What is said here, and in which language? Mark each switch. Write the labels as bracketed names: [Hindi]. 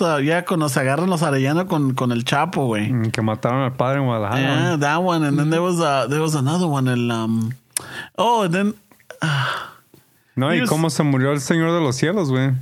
[Spanish] Yeah, cuando se agarran los Arellano con el Chapo, güey. Mm, que mataron al padre en Guadalajara. [English] Yeah, that one. And then there was another one, el... Oh, and then... [Spanish] No, y cómo se murió el Señor de los Cielos, güey.